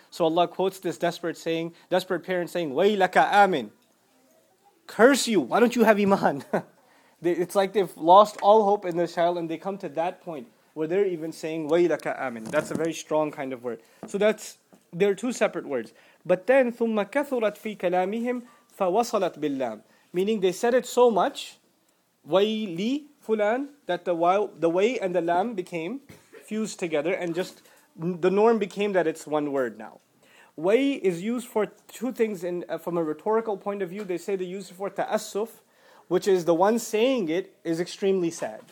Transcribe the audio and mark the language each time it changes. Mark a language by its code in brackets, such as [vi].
[en] So Allah quotes this desperate parent saying, [ar] وَيْ لَكَ آمِن. [en] Curse you, why don't you have iman? It's like they've lost all hope in their child and they come to that point where they're even saying, [ar] وَيْ لَكَ آمِن. [en] That's a very strong kind of word. So that's, there are two separate words. But then, [ar] ثُمَّ كَثُرَتْ فِي كَلَامِهِمْ فَوَصَلَتْ بِاللَّامِ. [en] Meaning they said it so much, way li fulan, that the way and the lam became fused together, and just the norm became that it's one word now. Way is used for two things from a rhetorical point of view. They say they use it for ta'assuf, which is the one saying it is extremely sad.